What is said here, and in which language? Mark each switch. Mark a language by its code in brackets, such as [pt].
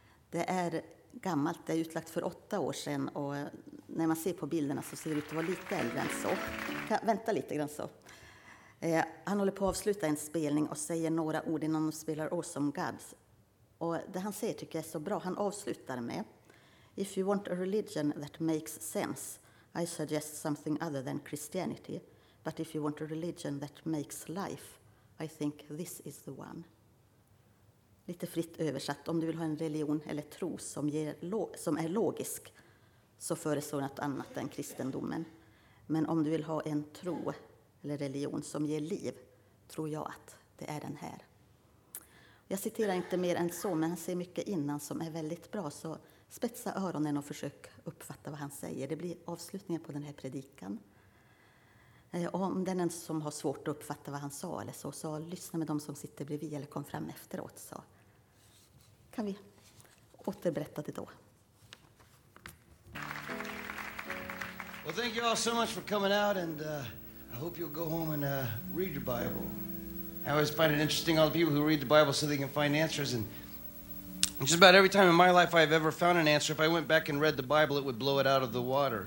[sv] Det är gammalt, det är utlagt för 8 år sedan, och när man ser på bilderna så ser det ut att vara lite äldre än så. Kan vänta lite grann så. Han håller på att avsluta en spelning och säger några ord innan de spelar Awesome God. Och det han säger tycker jag är så bra. Han avslutar med: [en] "If you want a religion that makes sense, I suggest something other than Christianity. But if you want a religion that makes life, I think this is the one." [sv] Lite fritt översatt: om du vill ha en religion eller tro som är logisk, så föreslår något annat än kristendomen. Men om du vill ha en tro eller religion som ger liv, tror jag att det är den här. Jag citerar inte mer än så, men han säger mycket innan som är väldigt bra. Så spetsa öronen och försök uppfatta vad han säger. Det blir avslutningen på den här predikan. Och om det är någon som har svårt att uppfatta vad han sa eller så, så lyssna med dem som sitter bredvid eller kom fram efteråt. Så kan vi återberätta det då. [en] Well, thank you all so much for coming out, and I hope you'll go home and read your Bible. I always find it interesting, all the people who read the Bible so they can find answers, and just about every time in my life I've ever found an answer, if I went back and read the Bible, it would blow it out of the water.